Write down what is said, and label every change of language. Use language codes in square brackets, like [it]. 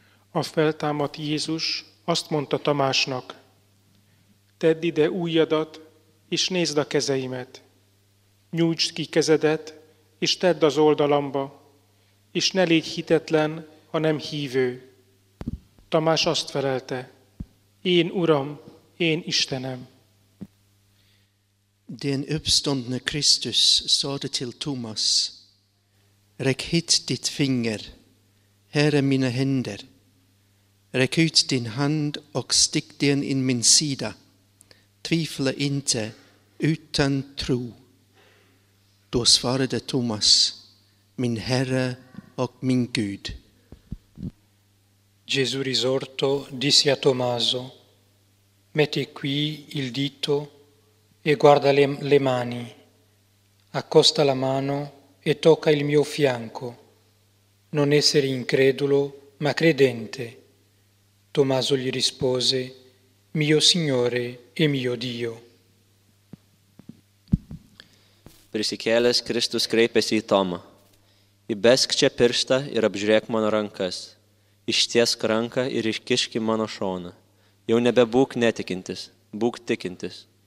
[hu] A feltámadt Jézus azt mondta Tamásnak, "Tedd ide ujjadat, és nézd a kezeimet. Nyújtsd ki kezedet, és tedd az oldalamba, és ne légy hitetlen, hanem hívő." Tamás azt felelte, "Én Uram, én Istenem." [sv] Den uppståndne Christus sade till Thomas, "Räck hit ditt finger, här är mina händer. Räck ut din hand och stick den in min sida. Tvivla inte, utan tro." då svarade Thomas, min Herre och min Gud. [it] Gesù risorto disse a Tommaso, metti qui il dito e guarda le mani, accosta la mano e tocca il mio fianco, non essere incredulo ma credente. Tommaso gli rispose, mio Signore e mio Dio. [lt] Prisikėlęs Kristus kreipėsi į Tomą. Įbesk čia pirštą ir apžiūrėk mano rankas. Ištiesk ranką ir iškišk į mano šoną. Jau nebebūk netikintis, būk tikintis.